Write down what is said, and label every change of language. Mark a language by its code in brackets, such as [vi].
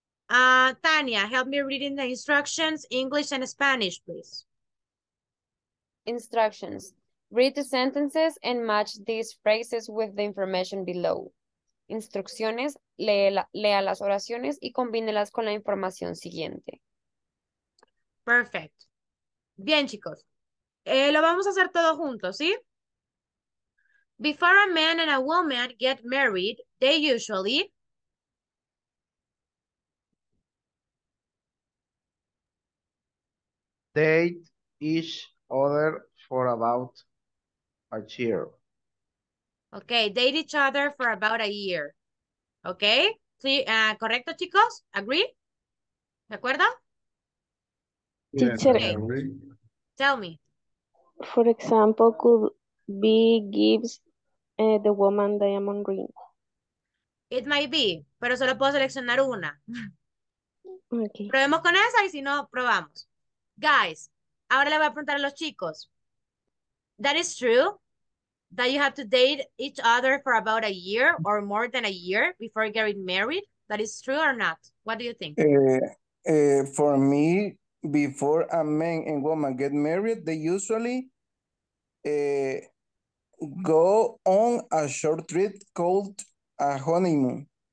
[en] Tania, help me reading the instructions, English and Spanish, please. Instructions. Read the sentences and match these phrases with the information below. [es] Instrucciones. Lea las oraciones y combínelas con la información siguiente. Perfect. Bien, chicos. Lo vamos a hacer todo juntos, ¿sí? [en] Before a man and a woman get married, they usually... date each other for about a year. Okay, date each other for about a year. [es] Okay, correcto, chicos? Agree? ¿De acuerdo? [en] Teacher, okay. Tell me. For example, could be gives the woman diamond ring. It might be, [es] pero solo puedo seleccionar una. [en] Okay. [es] Probemos con esa y si no, probamos. Guys, ahora le voy a preguntar a los chicos. [en] That is true that you have to date each other for about a year or more than a year before getting married? That is true or not? What do you think? For me, before a man and woman get married, they usually go on a short trip called a honeymoon.